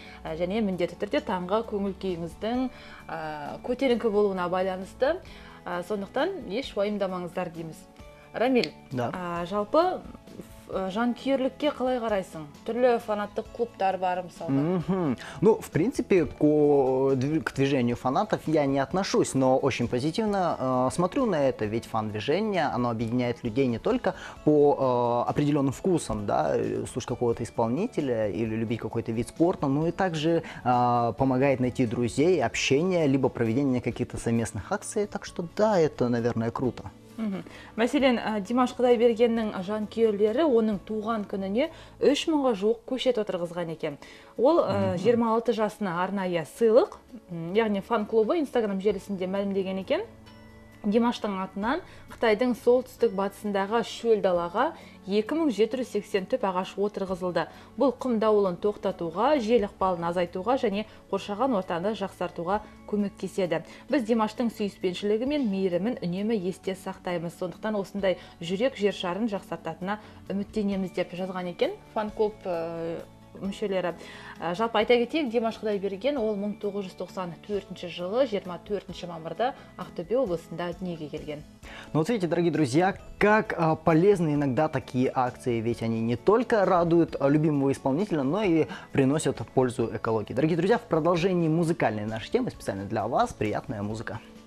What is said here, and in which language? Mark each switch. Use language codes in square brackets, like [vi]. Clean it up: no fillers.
[kk] Және міндетті түрде таңғы көңіл күйіңіздің көтеріңкі болуына байланысты. Сондықтан еш уайымдамаңыздар дейміз. Рамиль, жалпы жанкүйерлікке қалай қарайсың? Түрлі фанаттық клубтар бар мысалы. [ru] Ну, в принципе, к движению фанатов я не отношусь, но очень позитивно смотрю на это, ведь фан-движение, оно объединяет людей не только по определенным вкусам, да, слушать какого-то исполнителя или любить какой-то вид спорта, но и также помогает найти друзей, общение, либо проведение каких-то совместных акций. Так что да, это, наверное, круто. [kk] Мәселен, Димаш Құдайбергеннің жанкүйерлері оның туған күніне 3000-ға жуық көшет отырғызған екен. Ол 26 жасына арнайы сыйлық, яғни фан-клубы Инстаграм желісінде мәлімдеген екен. Димаштың атынан Қытайдың солтүстік батысындағы шөл далаға 2780 түп ағаш отырғызылды. Бұл құм дауылын тоқтатуға, жел ықпалын азайтуға және қоршаған ортаны жақсартуға көмектеседі. Біз Димаштың сүйіспеншілігі мен мейірімін үнемі есте сақтаймыз. Сондықтан осындай жүрек жер шарын жақсартатына үміттенеміз деп жазған екен фан-клуб мүшелері. Жалпы айта кетейік, Димаш Құдайберген ол 1994 жылы 24 мамырда Ақтөбе облысында дүниеге келген. [ru] Ну вот видите, дорогие друзья, как полезны иногда такие акции, ведь они не только радуют любимого исполнителя, но и приносят пользу экологии. Дорогие друзья, в продолжении музыкальной нашей темы специально для вас приятная музыка.